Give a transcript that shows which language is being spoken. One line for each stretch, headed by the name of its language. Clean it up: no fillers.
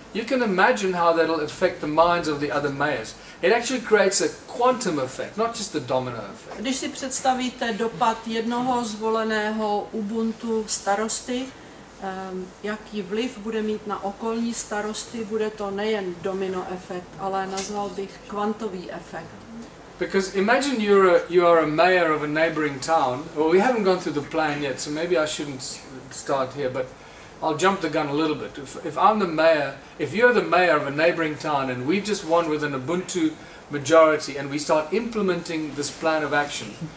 English: You can imagine how that'll affect the minds of the other mayors. It actually creates a quantum effect, not just the domino effect.
Czech: Když si představíte dopad jednoho zvoleného Ubuntu starosty, jaký vliv bude mít na okolní starosty, bude to nejen domino efekt, ale nazval bych kvantový efekt.
English: Because imagine you are a mayor of a neighboring town. Well, we haven't gone through the plan yet, so maybe I shouldn't start here, but I'll jump the gun a little bit. If you're the mayor of a neighboring town and we've just won with an Ubuntu majority and we start implementing this plan of action.